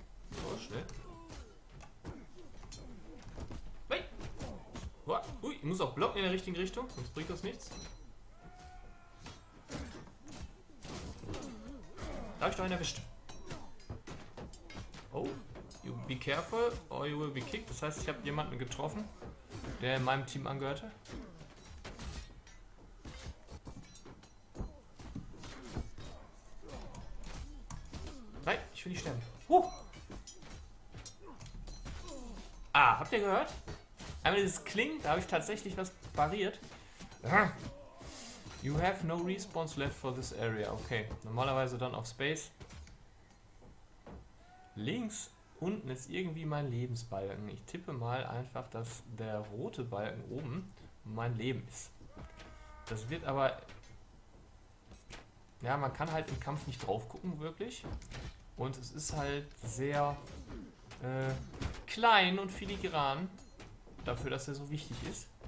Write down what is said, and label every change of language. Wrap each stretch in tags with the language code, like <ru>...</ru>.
<de>So, schnell. Hey. Ui, ich muss auch blocken in der richtigen Richtung, sonst bringt das nichts. Da habe ich doch einen erwischt.</de> <en>Oh, you be careful or you will be kicked.</en> <de>Das heißt, ich habe jemanden getroffen, der in meinem Team angehörte. Nein, ich will nicht sterben. Huh. Ah, habt ihr gehört? Einmal dieses Kling, da habe ich tatsächlich was pariert.</de> <en>You have no response left for this area.</en> <de>Okay, normalerweise dann auf Space. Links unten ist irgendwie mein Lebensbalken. Ich tippe mal einfach, dass der rote Balken oben mein Leben ist. Das wird aber... Ja, man kann halt im Kampf nicht drauf gucken, wirklich. Und es ist halt sehr klein und filigran dafür, dass er so wichtig ist.</de>